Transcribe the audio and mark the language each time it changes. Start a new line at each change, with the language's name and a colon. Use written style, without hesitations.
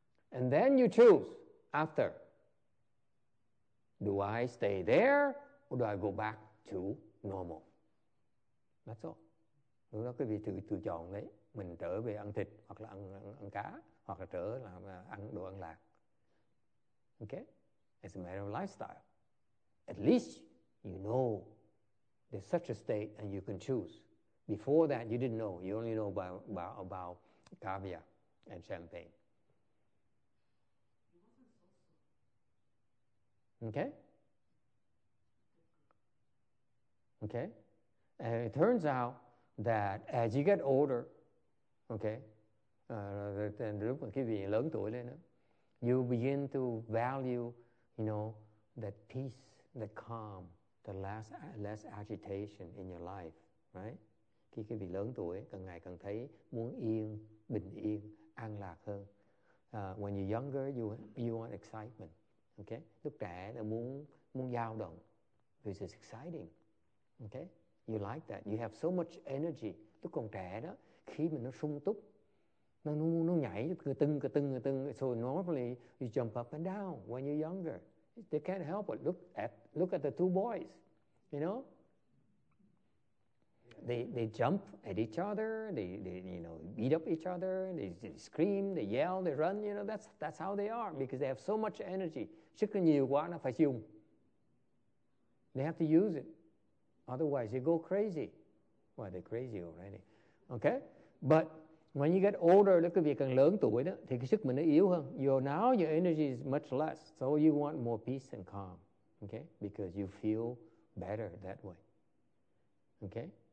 English: And then you choose after. Do I stay there or do I go back to normal? That's all.
Vietnamese: Lúc đó cái gì tự chọn đấy. Mình trở về ăn thịt hoặc là ăn cá hoặc là trở là ăn đồ ăn lạc.
English: Okay, it's a matter of lifestyle. At least you know there's such a state and you can choose. Before that, you didn't know. You only know about caviar and champagne. Okay? And it turns out that as you get older, you begin to value, you know, that peace, that calm, the less agitation in your life, right?
Vietnamese: Khi cái vị lớn tuổi, càng ngày càng thấy muốn yên, bình yên, an lạc hơn.
English: When you're younger, you want excitement, okay?
Vietnamese: Lúc trẻ là muốn dao động,
English: which is exciting, okay? You like that. You have so much energy.
Vietnamese: Lúc còn trẻ đó, khi mà nó sung túc, nó nhảy cứ tưng.
English: So normally you jump up and down when you're younger. They can't help but look at the two boys, you know. They jump at each other. They beat up each other. They scream. They yell. They run. You know that's how they are because they have so much energy.
Vietnamese: Sức nó nhiều quá nó phải dùng.
English: They have to use it, otherwise they go crazy. Well, they're crazy already, okay? But when you get older,
Vietnamese: cái việc càng lớn tuổi đó, thì cái sức mình nó yếu hơn.
English: Now your energy is much less, so you want more peace and calm, okay? Because you feel better that way, okay?